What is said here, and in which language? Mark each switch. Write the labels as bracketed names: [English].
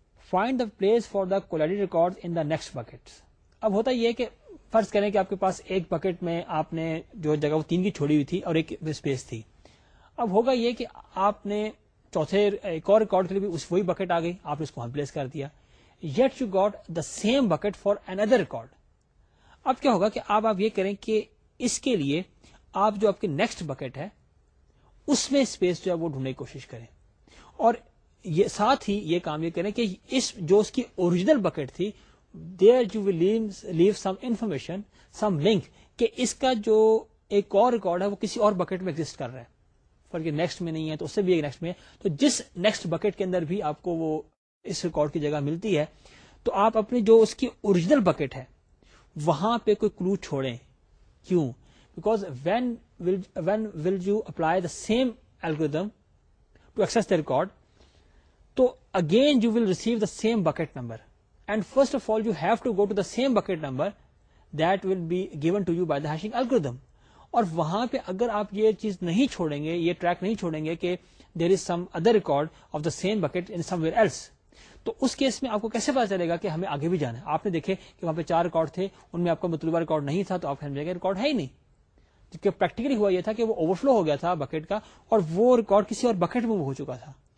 [English] Find the place for the collided records in the next buckets. [Urdu] اب ہوتا یہ کہ فرض کریں کہ آپ کے پاس ایک بکٹ میں آپ نے جو جگہ وہ تین کی چھوڑی ہوئی تھی اور ایک اسپیس تھی, اب ہوگا یہ کہ آپ نے چوتھے ایک اور ریکارڈ کے لیے بھی اس وہی بکٹ آ گئی, آپ نے اس کو ریپلیس کر دیا, [English] Yet you got the same bucket for another record. [Urdu] اب کیا ہوگا کہ آپ یہ کریں کہ اس کے لیے آپ جو آپ کے نیکسٹ بکٹ ہے اس میں اسپیس جو ہے وہ ڈھونڈنے کی کوشش کریں, اور یہ ساتھ ہی یہ کام یہ کریں کہ اس جو اس کی اوریجنل بکٹ تھی [English] there you will leave some information some link [Urdu] کہ اس کا جو ایک اور ریکارڈ ہے وہ کسی اور بکٹ میں ایگزٹ کر رہا ہے, نیکسٹ میں نہیں ہے تو اس سے بھی ایک نیکسٹ میں ہے, تو جس نیکسٹ بکٹ کے اندر بھی آپ کو وہ اس ریکارڈ کی جگہ ملتی ہے تو آپ اپنی جو اس کی اوریجنل بکٹ ہے وہاں پہ کوئی کلو چھوڑیں. کیوں؟ [English] Because when will you apply the same algorithm to access the record تو again you will receive the same bucket number, and first of all you have to go to the same bucket number that will be given to you by the hashing algorithm. [Urdu] اور وہاں پہ اگر آپ یہ چیز نہیں چھوڑیں گے, یہ ٹریک نہیں چھوڑیں گے کہ [English] there is some other record of the same bucket in somewhere else, [Urdu] تو اس کیس میں آپ کو کیسے پتا چلے گا کہ ہمیں آگے بھی جانا ہے. آپ نے دیکھے کہ وہاں پہ چار ریکارڈ تھے, ان میں آپ کا مطلوبہ ریکارڈ نہیں تھا, تو آپ سمجھے گا ریکارڈ ہے ہی نہیں, جبکہ پریکٹیکلی ہوا یہ تھا کہ وہ اوور فلو ہو گیا تھا بکٹ کا اور وہ ریکارڈ کسی اور بکٹ میں وہ ہو چکا تھا.